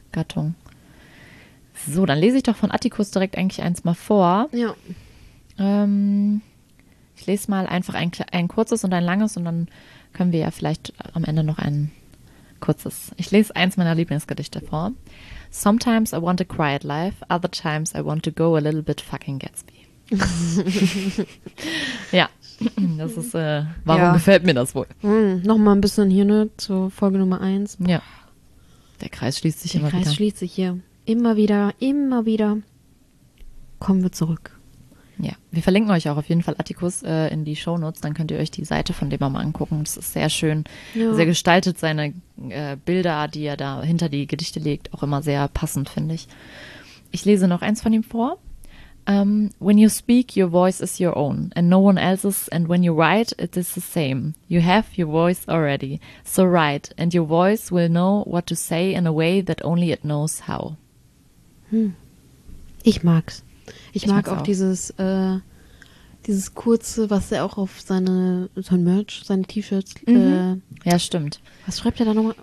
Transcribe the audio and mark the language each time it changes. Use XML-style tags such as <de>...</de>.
<de>Gattung. So, dann lese ich doch von Atticus direkt eigentlich eins mal vor. Ja. Ich lese mal einfach ein kurzes und ein langes und dann können wir ja vielleicht am Ende noch ein kurzes. Ich lese eins meiner Lieblingsgedichte vor.</de> <en>Sometimes I want a quiet life, other times I want to go a little bit fucking Gatsby.</en> <de>Ja, das ist, warum ja. Gefällt mir das wohl? Nochmal ein bisschen hier, ne, zur Folge Nummer 1. Ja, der Kreis schließt sich der immer Kreis wieder. Der Kreis schließt sich hier. Immer wieder kommen wir zurück. Ja, wir verlinken euch auch auf jeden Fall Atticus in die Shownotes, dann könnt ihr euch die Seite von dem mal angucken. Das ist sehr schön, ja. Sehr gestaltet, seine Bilder, die er da hinter die Gedichte legt, auch immer sehr passend, finde ich. Ich lese noch eins von ihm vor.</de> <en>When you speak, your voice is your own, and no one else's, and when you write, it is the same. You have your voice already, so write, and your voice will know what to say in a way that only it knows how.</en> <de>Ich mag's. Ich mag auch dieses kurze, was er auch auf sein Merch, seine T-Shirts. Ja, stimmt. Was schreibt er da nochmal?</de>